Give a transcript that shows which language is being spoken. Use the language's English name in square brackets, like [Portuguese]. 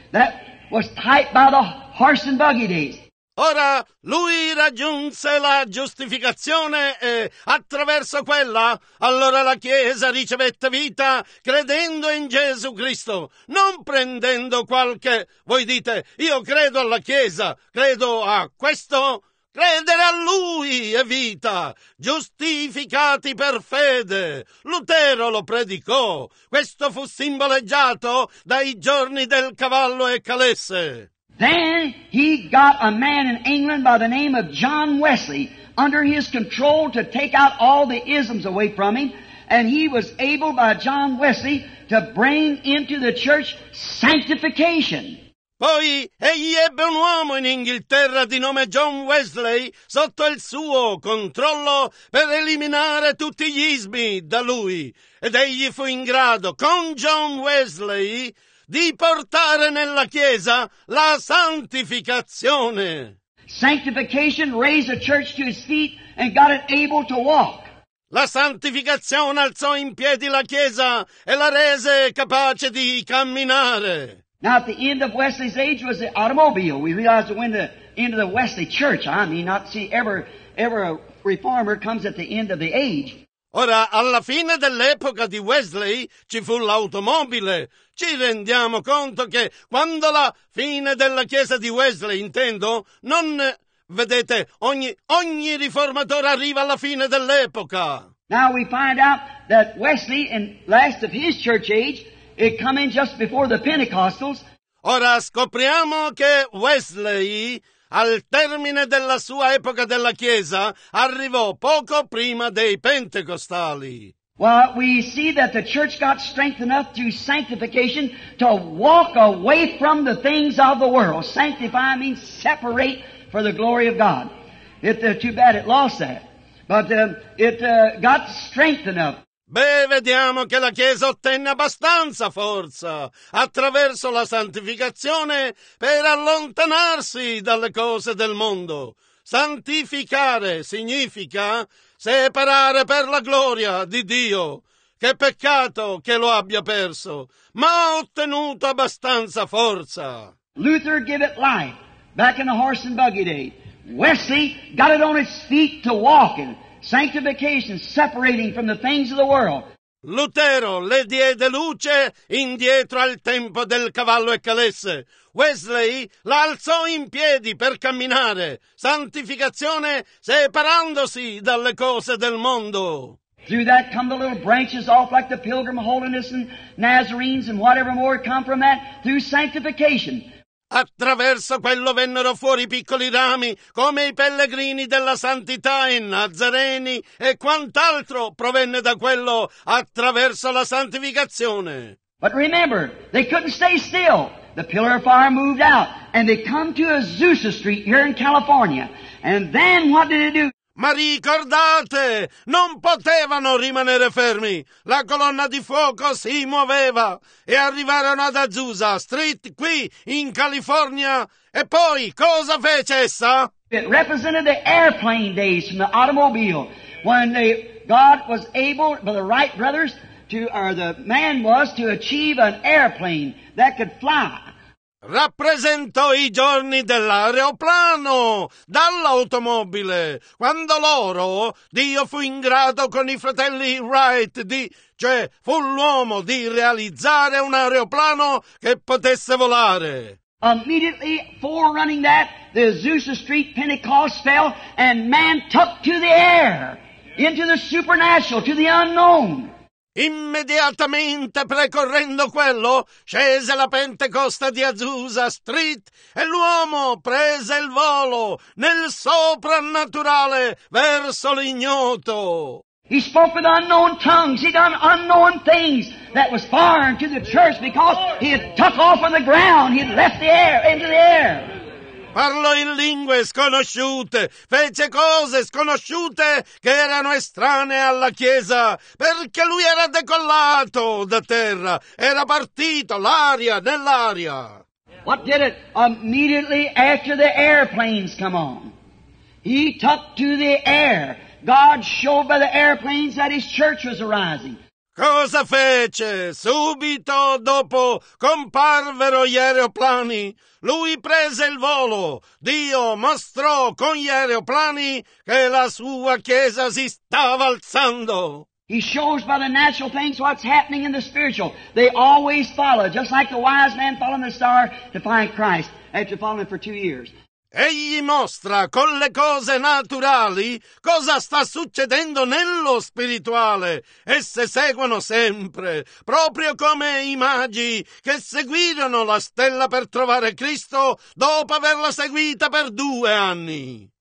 [English] That was typed by the horse and buggy days. [Italian] Ora, lui raggiunse la giustificazione e attraverso quella, allora la Chiesa ricevette vita credendo in Gesù Cristo, non prendendo qualche... Voi dite, io credo alla Chiesa, credo a questo... Credere a Lui è vita, giustificati per fede. Lutero lo predicò, questo fu simboleggiato dai giorni del cavallo e calesse. [English] Then he got a man in England by the name of John Wesley under his control to take out all the isms away from him, and he was able by John Wesley to bring into the church sanctification. [Italian] Poi egli ebbe un uomo in Inghilterra di nome John Wesley sotto il suo controllo per eliminare tutti gli ismi da lui, ed egli fu in grado con John Wesley di portare nella Chiesa la santificazione. [English] Sanctification raised the church to its feet and got it able to walk. [Italian] La santificazione alzò in piedi la Chiesa e la rese capace di camminare. [English] Now at the end of Wesley's age was the automobile. We realize when the end of the Wesley church, I mean, not see ever a reformer comes at the end of the age. [Italian] Ora, alla fine dell'epoca di Wesley ci fu l'automobile. Ci rendiamo conto che quando la fine della chiesa di Wesley, intendo, non... Vedete, ogni riformatore arriva alla fine dell'epoca. [English] Now we find out that Wesley, in last of his church age, it come in just before the Pentecostals. [Italian] Ora scopriamo che Wesley, al termine della sua epoca della Chiesa, arrivò poco prima dei Pentecostali. [English] Well, we see that the church got strength enough through sanctification to walk away from the things of the world. Sanctify means separate for the glory of God. Too bad it lost that. But it got strength enough. [Italian] Beh, vediamo che la Chiesa ottenne abbastanza forza attraverso la santificazione per allontanarsi dalle cose del mondo. Santificare significa separare per la gloria di Dio. Che peccato che lo abbia perso, ma ha ottenuto abbastanza forza. [English] Luther gave it life back in the horse and buggy day. Wesley got it on his feet to walk in. Sanctification, separating from the things of the world. [Italian] Lutero le diede luce indietro al tempo del cavallo Ecclesse. Wesley la alzò in piedi per camminare. Santificazione, separandosi dalle cose del mondo. [English] Through that come the little branches off like the Pilgrim Holiness and Nazarenes and whatever more come from that through sanctification. [Italian] Attraverso quello vennero fuori piccoli rami come i pellegrini della santità e Nazareni e quant'altro provenne da quello attraverso la santificazione. [English] But remember, they couldn't stay still. The pillar of fire moved out and they come to Azusa Street here in California. And then what did it do? [Italian] Ma ricordate, non potevano rimanere fermi. La colonna di fuoco si muoveva e arrivarono ad Azusa Street qui in California. E poi cosa fece essa? [English] It represented the airplane days from the automobile when God was able, by the Wright brothers, to achieve an airplane that could fly. [Italian] Rappresentò i giorni dell'aeroplano, dall'automobile, quando loro, Dio fu in grado con i fratelli Wright, fu l'uomo di realizzare un aeroplano che potesse volare. [English] Immediately forerunning that, the Azusa Street Pentecost fell and man took to the air, into the supernatural, to the unknown. [Italian] Immediatamente precorrendo quello, scese la Pentecosta di Azusa Street e l'uomo prese il volo nel soprannaturale verso l'ignoto. [English] He spoke with unknown tongues. He done unknown things that was foreign to the church because he had took off on the ground. He had left the air, into the air. [Italian] Parlò in lingue sconosciute, fece cose sconosciute che erano estranee alla Chiesa, perché lui era decollato da terra, era partito l'aria nell'aria. [English] What did it? Immediately after the airplanes come on, he took to the air. God showed by the airplanes that his church was arising. [Italian] Cosa fece? Subito dopo comparvero gli aeroplani, lui prese il volo. Dio mostrò con gli aeroplani che la sua chiesa si stava alzando. [English] He shows by the natural things what's happening in the spiritual. They always follow, just like the wise man following the star to find Christ after following for 2 years. [Italian] Egli mostra con le cose naturali cosa sta succedendo nello spirituale. Esse seguono sempre, proprio come i magi che seguirono la stella per trovare Cristo dopo averla seguita per 2 anni.